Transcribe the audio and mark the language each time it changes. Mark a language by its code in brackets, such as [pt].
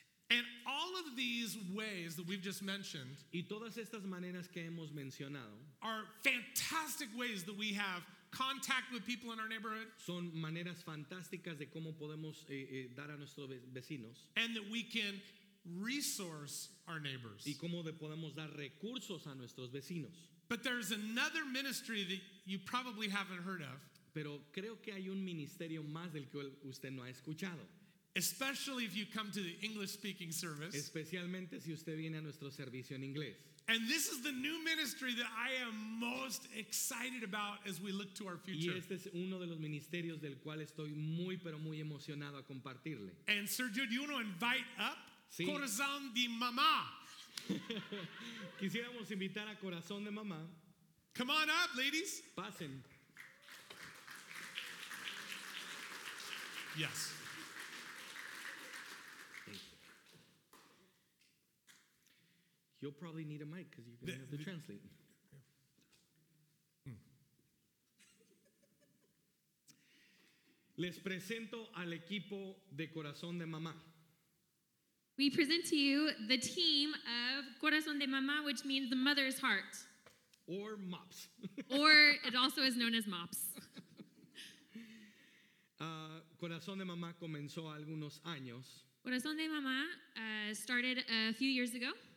[en] And all of these ways that we've just mentioned, [es] y todas estas maneras que hemos mencionado, [en] are fantastic ways that we have contact with people in our neighborhood. [es] Son maneras fantásticas de cómo podemos dar a nuestros vecinos. [en] And that we can resource our neighbors. [es] Y cómo podemos dar recursos a nuestros vecinos. [en] But there's another ministry that you probably haven't heard of. [es] Pero creo que hay un ministerio más del que usted no ha escuchado. [en] Especially if you come to the English speaking service. [es] Especialmente si usted viene a nuestro servicio en inglés. [en] And this is the new ministry that I am most excited about as we look to our future. [es] Y este es uno de los ministerios del cual estoy muy pero muy emocionado a compartirle. [en] And Sergio, do you want to invite up? [es] Sí. Corazón de mamá. Quisiéramos invitar a Corazón de mamá. [en] Come on up, ladies. [es] Pasen. [en] Yes. You'll probably need a mic because you're going to have to translate. [es] Les presento al equipo de Corazón de Mamá. [en] We present to you the team of Corazón de Mamá, which means the mother's heart. Or MOPS. Or it also is known as MOPS. [es] Corazón de Mamá comenzó algunos años. [en] Corazón de Mamá started a few years ago.